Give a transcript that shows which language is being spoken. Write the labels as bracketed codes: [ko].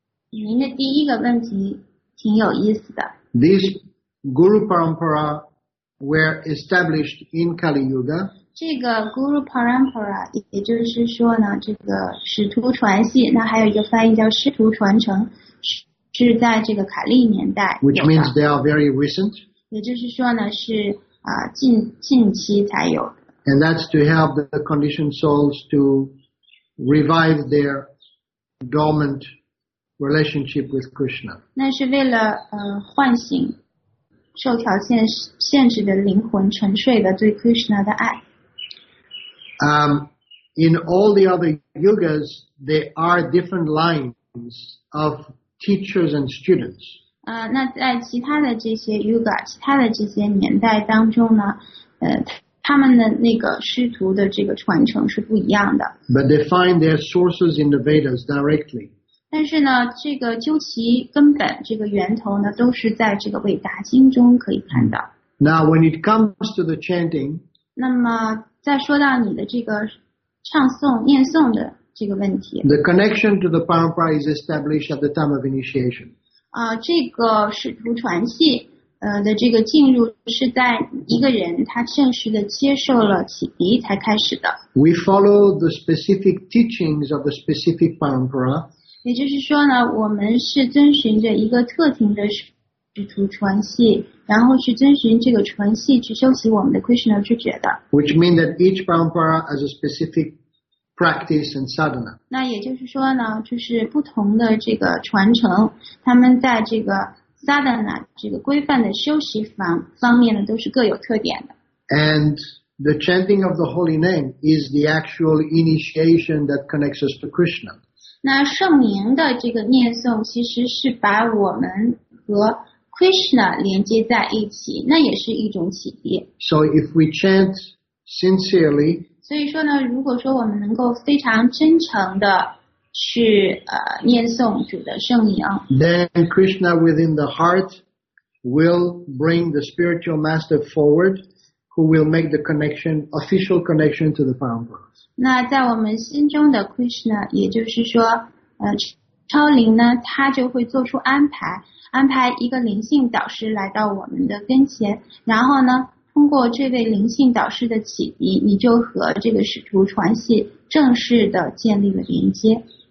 [zh] 您的第一个问题挺有意思的。 [en] These Guru Parampara were established in Kali Yuga. [zh] 这个 Guru Parampara 也就是说呢，这个使徒传系，那还有一个翻译叫师徒传承，是在这个卡利年代。 [en] Which means they are very recent. [zh] 也就是说呢，是近期才有的。 [en] And that's to help the conditioned souls to revive their dormant relationship with Krishna. [zh] 那是为了唤醒受条件限制的灵魂沉睡的对 Krishna 的爱。 [en] In all the other yugas, there are different lines of teachers and students. [zh] 那在其他的这些 yuga, 其他的这些年代当中呢，他们的那个师徒的这个传承是不一样的。 [en] But they find their sources in the Vedas directly. [zh] 但是呢，这个究其根本，这个源头呢，都是在这个伟达经中可以看到。 [en] Now when it comes to the chanting, [zh] 那么再说到你的这个唱诵、念诵的这个问题。 [en] The connection to the parampara is established at the time of initiation. [zh] 这个师徒传系的这个进入是在一个人他正式的接受了启迪才开始的。 [en] We follow the specific teachings of the specific parampara. [zh] 也就是说呢，我们是遵循着一个特定的师徒传系，然后去遵循这个传系去修习我们的 Krishna 之觉的。 [en] Which means that each parampara has a specific practice and sadhana. [zh] 那也就是说呢，就是不同的这个传承，他们在这个Sadhana 这个规范的修习方面呢，都是各有特点的。 [en] And the chanting of the holy name is the actual initiation that connects us to Krishna. [zh] 那圣名的这个念诵其实是把我们和 Krishna 连接在一起，那也是一种启迪。 [en] So if we chant sincerely, [zh] 所以说呢，如果说我们能够非常真诚的去念诵主的圣名， [en] then Krishna within the heart will bring the spiritual master forward, who will make the connection, official connection to the parampara. [zh] 那在我们心中的 Krishna， 也就是说，超灵呢，他就会做出安排一个灵性导师来到我们的跟前，然后呢，通过这位灵性导师的启迪，你就和这个使徒传系正式的建立了连接。